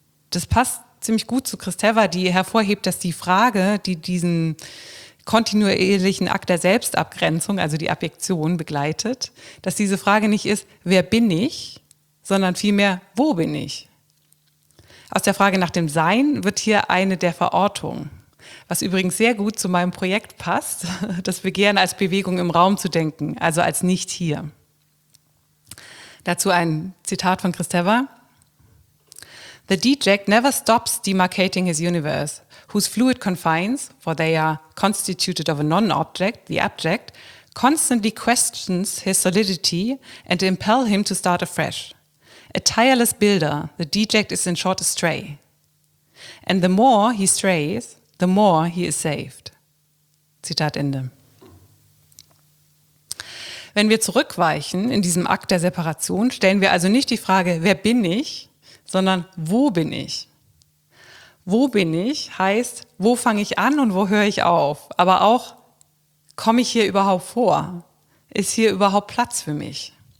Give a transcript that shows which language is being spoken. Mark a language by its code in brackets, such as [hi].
[de] Das passt ziemlich gut zu Kristeva, die hervorhebt, dass die Frage, die diesen kontinuierlichen Akt der Selbstabgrenzung, also die Abjektion, begleitet, dass diese Frage nicht ist, wer bin ich, sondern vielmehr, wo bin ich? Aus der Frage nach dem Sein wird hier eine der Verortungen, was übrigens sehr gut zu meinem Projekt passt, das Begehren als Bewegung im Raum zu denken, also als Nicht-Hier. Dazu ein Zitat von Kristeva. [en] The D-Jack never stops demarcating his universe, whose fluid confines, for they are constituted of a non-object, the abject, constantly questions his solidity and impel him to start afresh. A tireless builder, the deject is in short a stray. And the more he strays, the more he is saved. [de] Zitat Ende. Wenn wir zurückweichen in diesem Akt der Separation, stellen wir also nicht die Frage, wer bin ich, sondern wo bin ich? Wo bin ich heißt, wo fange ich an und wo höre ich auf? Aber auch, komme ich hier überhaupt vor? Ist hier überhaupt Platz für mich?